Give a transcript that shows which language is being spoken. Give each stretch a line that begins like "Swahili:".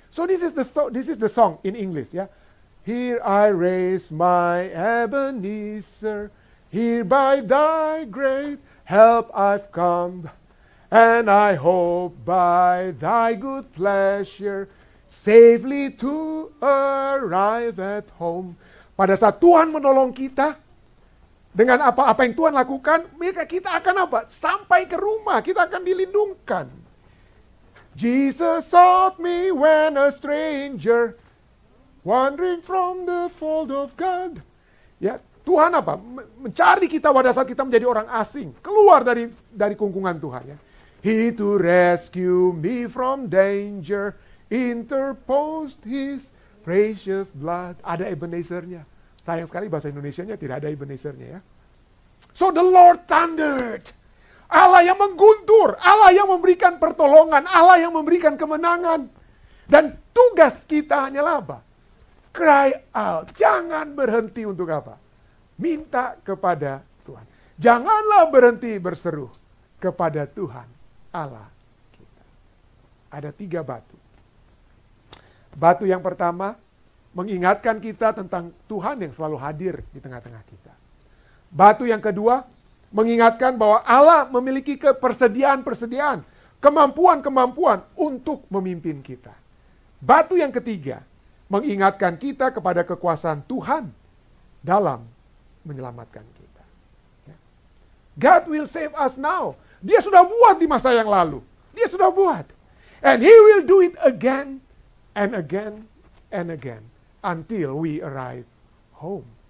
English: So this is the song in English, ya. Yeah? Here I raise my Ebenezer. Here by thy great help I've come, and I hope by thy good pleasure safely to arrive at home.
Indonesian: Pada saat Tuhan menolong kita, dengan apa-apa yang Tuhan lakukan, maka kita akan apa? Sampai ke rumah, kita akan dilindungkan.
English: Jesus sought me when a stranger, wandering from the fold of God.
Indonesian: Ya. Tuhan apa? Mencari kita pada saat kita menjadi orang asing. Keluar dari kungkungan Tuhan. Ya.
English: He to rescue me from danger interposed his precious blood.
Indonesian: Ada Ebenezer-nya. Sayang sekali bahasa Indonesianya tidak ada Ebenezer-nya ya.
English: So the Lord thundered.
Indonesian: Allah yang mengguntur. Allah yang memberikan pertolongan. Allah yang memberikan kemenangan. Dan tugas kita hanyalah apa?
English: Cry out.
Indonesian: Jangan berhenti untuk apa? Minta kepada Tuhan. Janganlah berhenti berseru kepada Tuhan Allah kita. Ada tiga batu. Batu yang pertama mengingatkan kita tentang Tuhan yang selalu hadir di tengah-tengah kita. Batu yang kedua mengingatkan bahwa Allah memiliki persediaan-persediaan, kemampuan-kemampuan untuk memimpin kita. Batu yang ketiga mengingatkan kita kepada kekuasaan Tuhan dalam menyelamatkan kita.
English: God will save us now.
Indonesian: Dia sudah buat di masa yang lalu. Dia sudah buat.
English: And he will do it again and again and again until we arrive home.